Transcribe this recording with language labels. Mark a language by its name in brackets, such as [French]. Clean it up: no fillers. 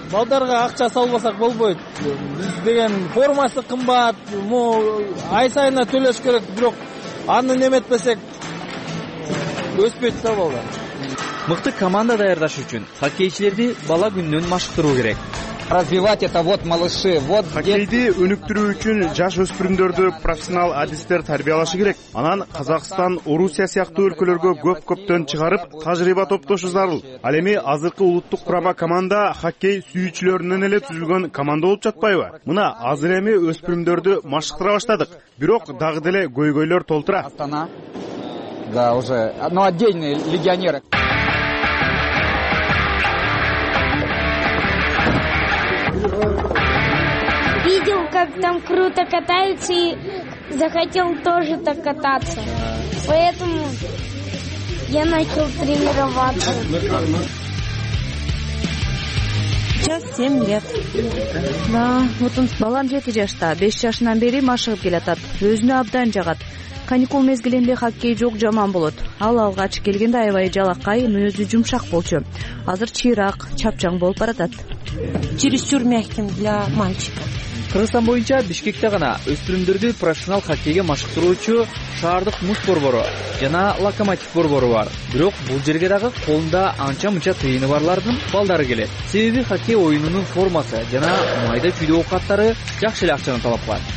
[Kyrgyz] Балдарга акча салбасак болбойт. Биз деген формасы кымбат, ай сайына төлөш керек, бирок аны неметпесек өспөйт да балдар. Мыкты команда даярдаш үчүн хоккейчилерди бала күнүнөн машыктыруу керек. [Russian] Развивать это вот малыши, вот [Kyrgyz] хоккейди өнүктүрүү үчүн жаш өспүрүмдөрдү профессионал адистер тарбиялашы керек. Анан Казакстан, Орусия сыяктуу өлкөлөргө көп-көптөн чыгарып тажрыйба топтошу зарыл. Ал эми азыркы улуттук курама команда хоккей сүйүүчүлөрүнөн эле түзүлгөн команда болуп жатпайбы? Мына азыр эми өспүрүмдөрдү машыктыра баштадык, бирок дагы деле көйгөйлөр толтура. [Russian] Астана. Да, уже, ну, отдельные легионеры. Видел, как там круто катаются, и захотел тоже так кататься. Поэтому я начал тренироваться. Сейчас 7 лет. Да, вот он, [Kyrgyz] балам 7 жашта, 5 жашынан бери машыгып келатат. Өзүнө абдан жагат. Каникул мезгилинде хоккей жок жаман болот. Ал алгач келгенде аябай жалакай, мүнөзү жумшак болчу. Азыр чыйрак, чапчаң болуп баратат. [Russian] Чересчур мягким для мальчика. [Kyrgyz] Кыргызстан боюнча Бишкекте гана өспүрүмдөрдү профессионал хоккейге машыктыруучу шаардык муз борбору жана локомотив борбору бар. Бирок бул жерге дагы колунда анча-мынча тыйыны барлардын балдары келет. Себеби хоккей оюнунун формасы жана майда чүйдө оокаттары жакшы эле акчаны талап кылат.